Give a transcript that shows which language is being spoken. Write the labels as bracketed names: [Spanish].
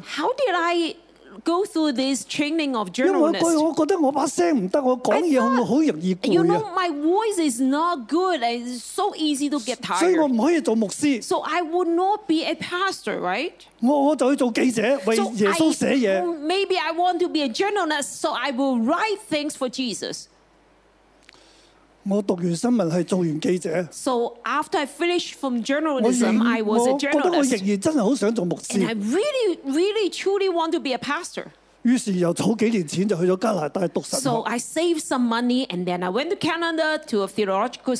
[English] ？How did I go through this training of journalism? [Cantonese] 因為我覺得我把聲唔得，我講嘢好容易攰啊。 [English] You know, my voice is not good, and it's so easy to get tired. [Cantonese] 所以我唔可以做牧師。 [English] So I would not be a pastor, right? [Cantonese] 我就去做記者，為耶穌寫嘢。 [English] Maybe I want to be a journalist, so I will write things for Jesus. [Cantonese] 我读完新闻系做完记者。 [English] So after I finished from journalism, I was a journalist. [Cantonese] 我觉得我仍然真系好想做牧师。 [English] And I really, really, truly want to be a pastor. [Cantonese] 于是又储几年钱就去咗加拿大读神学。 [English] So I saved some money and then I went to Canada to a theological school.